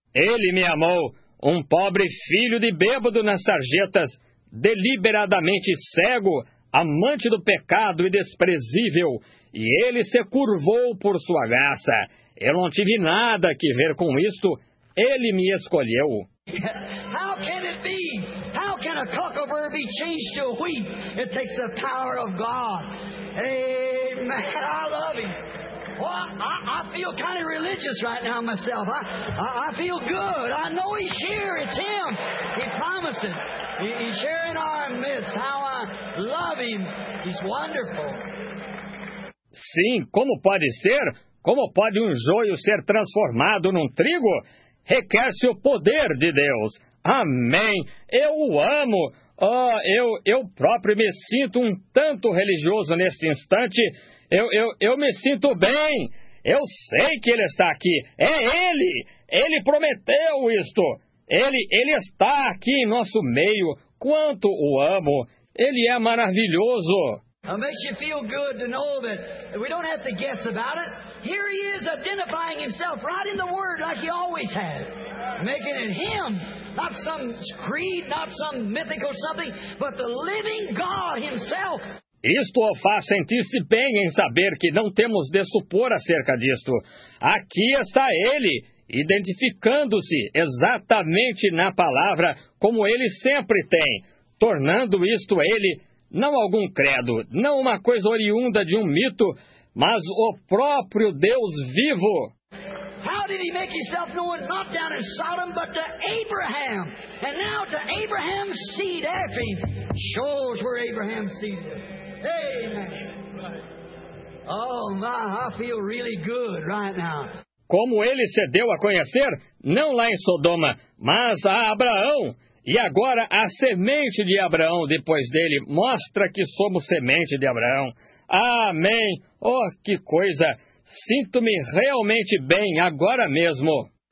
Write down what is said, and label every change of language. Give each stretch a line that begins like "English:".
Portuguese: Ele me amou, um pobre filho de bêbado nas sarjetas, deliberadamente cego, amante do pecado e desprezível, e ele se curvou por sua graça. Eu não tive nada que ver com isto. Ele me escolheu.
English: How can it be? How can a cocklebur be changed to a wheat? It takes the power of God. Amen. I love him. Well, I feel kind of religious right now myself. I feel good. I know he's here. It's him. He promised it. He's here in our midst. How I love him. He's wonderful.
Portuguese: Sim, como pode ser? Como pode um joio ser transformado num trigo? Requer-se o poder de Deus. Amém. Eu o amo. Oh, eu próprio me sinto um tanto religioso neste instante. Eu me sinto bem. Eu sei que ele está aqui. É ele. Ele prometeu isto. Ele está aqui em nosso meio. Quanto o amo. Ele é maravilhoso.
English: It makes you feel good to know that we don't have to guess about it. Here he is identifying himself right in the Word like he always has. Making it him, not some creed, not some mythical something, but the living God himself.
Portuguese: Isto o faz sentir-se bem em saber que não temos de supor acerca disto. Aqui está ele, identificando-se exatamente na palavra como ele sempre tem, tornando isto ele. Não algum credo, não uma coisa oriunda de um mito, mas o próprio Deus vivo.
English: How did he make himself known not down in Sodom, but to Abraham? And now to Abraham's seed, Ephraim. Shows where Abraham's seed is. Amen. Oh, my, I feel really good right now.
Portuguese: Como ele se deu a conhecer, não lá em Sodoma, mas a Abraão. E agora a semente de Abraão depois dele mostra que somos semente de Abraão. Amém! Oh, que coisa! Sinto-me realmente bem agora mesmo.